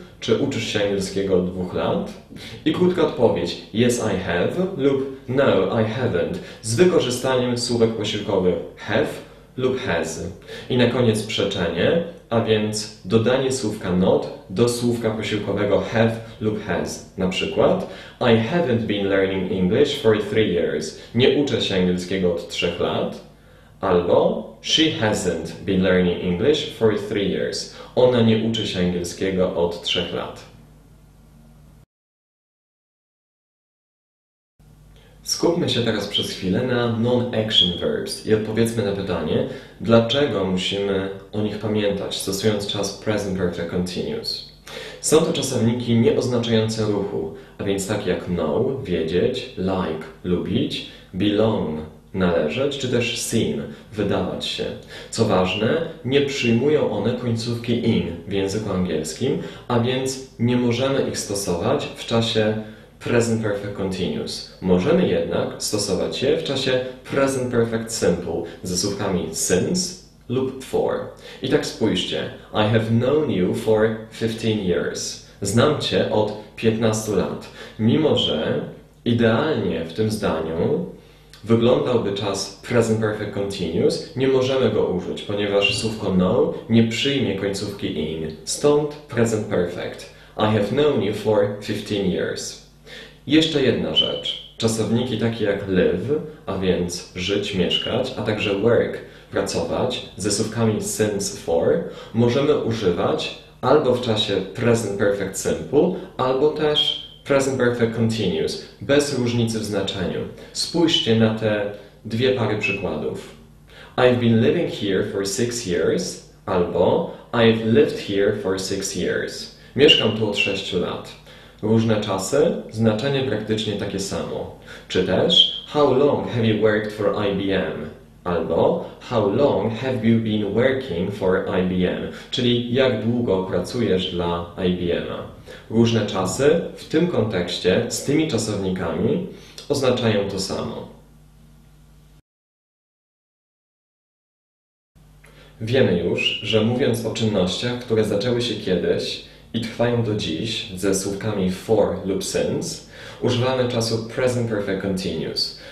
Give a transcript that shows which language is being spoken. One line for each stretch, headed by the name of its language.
Polish: Czy uczysz się angielskiego od 2 lat? I krótka odpowiedź,
English: yes I have
Polish: lub
English: no I haven't,
Polish: z wykorzystaniem słówek posiłkowych have lub has. I na koniec przeczenie, a więc dodanie słówka not do słówka posiłkowego have lub has. Na przykład,
English: I haven't been learning English for 3 years.
Polish: Nie uczę się angielskiego od 3 lat. Albo
English: she hasn't been learning English for 3 years.
Polish: Ona nie uczy się angielskiego od 3 lat. Skupmy się teraz przez chwilę na non-action verbs i odpowiedzmy na pytanie, dlaczego musimy o nich pamiętać, stosując czas present perfect continuous. Są to czasowniki nieoznaczające ruchu, a więc takie jak know, wiedzieć, like, lubić, belong, należeć, czy też seem, wydawać się. Co ważne, nie przyjmują one końcówki ing w języku angielskim, a więc nie możemy ich stosować w czasie present perfect continuous. Możemy jednak stosować je w czasie present perfect simple ze słówkami since lub for. I tak spójrzcie.
English: I have known you for 15 years.
Polish: Znam cię od 15 lat. Mimo że idealnie w tym zdaniu wyglądałby czas present perfect continuous, nie możemy go użyć, ponieważ słówko know nie przyjmie końcówki ing. Stąd present perfect.
English: I have known you for 15 years.
Polish: Jeszcze jedna rzecz. Czasowniki takie jak live, a więc żyć, mieszkać, a także work, pracować, ze słówkami since, for, możemy używać albo w czasie present perfect simple, albo też present perfect continuous, bez różnicy w znaczeniu. Spójrzcie na te dwie pary przykładów.
English: I've been living here for 6 years,
Polish: albo
English: I've lived here for 6 years.
Polish: Mieszkam tu od 6 lat. Różne czasy, znaczenie praktycznie takie samo. Czy też
English: how long have you worked for IBM?
Polish: Albo
English: how long have you been working for IBM?
Polish: Czyli jak długo pracujesz dla IBM-a? Różne czasy w tym kontekście z tymi czasownikami oznaczają to samo. Wiemy już, że mówiąc o czynnościach, które zaczęły się kiedyś i trwają do dziś ze słówkami for lub since, używamy czasu present perfect continuous.